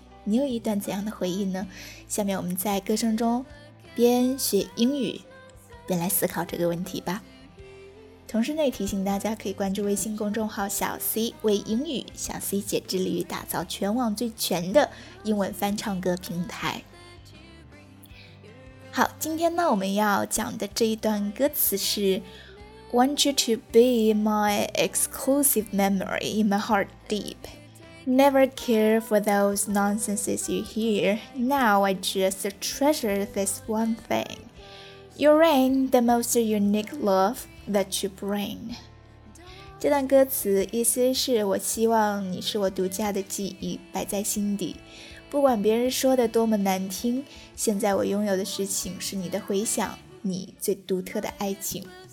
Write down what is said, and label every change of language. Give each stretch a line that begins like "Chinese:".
Chinese: 你有一段怎样的回忆呢？下面我们在歌声中边学英语边来思考这个问题吧。同时呢，提醒大家可以关注微信公众号小 C 为英语，小 C 姐致力于打造全网最全的英文翻唱歌平台。好，今天呢我们要讲的这一段歌词是
English: Want you to be my exclusive memory in my heart deep. Never care for those nonsenses you hear. Now I just treasure this one thing. Your ring, the most unique loveThat you bring.
Chinese: 这段歌词意思是，我希望你是我独家的记忆，摆在心底，不管别人说的多么难听，现在我拥有的事情是你的回响，你最独特的爱情。